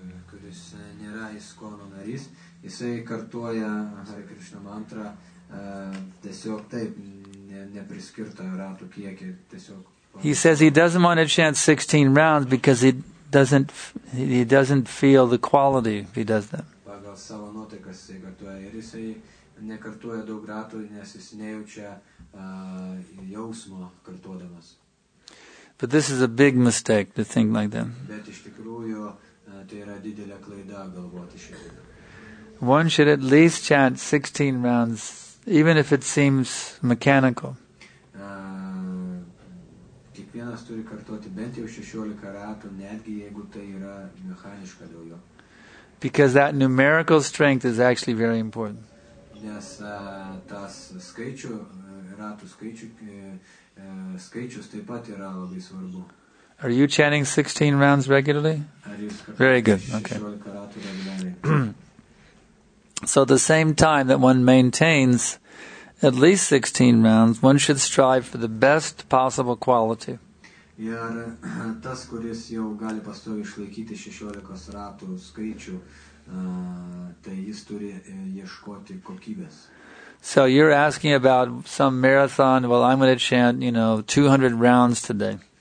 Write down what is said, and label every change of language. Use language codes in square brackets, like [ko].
[lt] Kuris nėra ISKCONo narys, jisai kartuoja Hare Krishna mantra tiesiog taip, nepriskirto ratų kiekį, tiesiog. [en] He says he doesn't want to chant 16 rounds because he doesn't feel the quality if he does that. [lt] Pagal savo nuotaikas jisai kartuoja ir jisai nekartuoja daug ratų, nes jis nejaučia jausmo kartuodamas. [en] But this is a big mistake to think like that. [lt] Bet iš tikrųjų tai yra didelė klaida galvoti šiandien. [en] One should at least chant 16 rounds, even if it seems mechanical. [lt] Kiekvienas turi kartoti bent jau 16 ratų, netgi jeigu tai yra mechaniška dėl jo. [en] Because that numerical strength is actually very important. [lt] Nes tas skaičių, ratų skaičių, skaičius taip pat yra labai svarbu. [en] Are you chanting 16 rounds regularly? Very good, okay. So at the same time that one maintains at least 16 rounds, one should strive for the best possible quality. [lt] Ir tas, kuris jau gali pastoviai išlaikyti 16 ratų skaičių, tai jis turi ieškoti kokybės. [en] So you're asking about some marathon, well, I'm going to chant, you know, 200 rounds today.